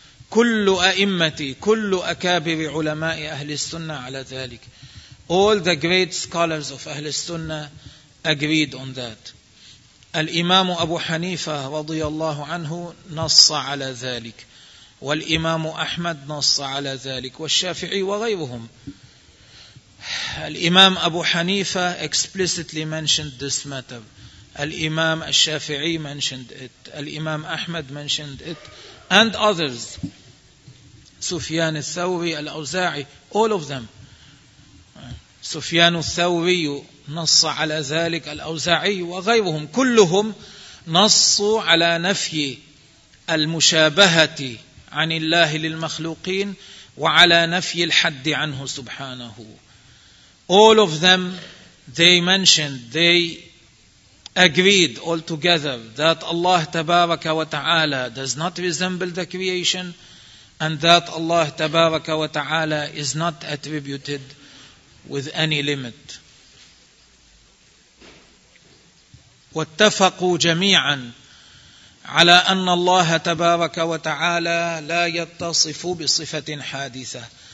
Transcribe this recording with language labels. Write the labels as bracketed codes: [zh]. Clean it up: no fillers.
[ar] كل أئمتي كل أكابر علماء أهل السنة على ذلك. [en] All the great scholars of Ahlul Sunnah agreed on that. [ar] الإمام أبو حنيفة رضي الله عنه نص على ذلك. والإمام أحمد نص على ذلك. والشافعي وغيرهم. [en] الإمام أبو حنيفة explicitly mentioned this matter. الإمام الشافعي mentioned it. الإمام أحمد mentioned it. And others. سفيان الثوري الأوزاعي. All of them. [ar] سفيان الثوري نص على ذلك. الأوزاعي وغيرهم. كلهم نصوا على نفي المشابهة عن الله للمخلوقين وعلى نفي الحد عنه سبحانه. [en] All of them, they mentioned, they agreed all together that Allah [ar] تبارك وتعالى [en] does not resemble the creation and that Allah تبارك وتعالى is not attributed with any limit. [ar] واتفقوا جميعا على أن الله تبارك وتعالى لا يتصف بصفة حادثة.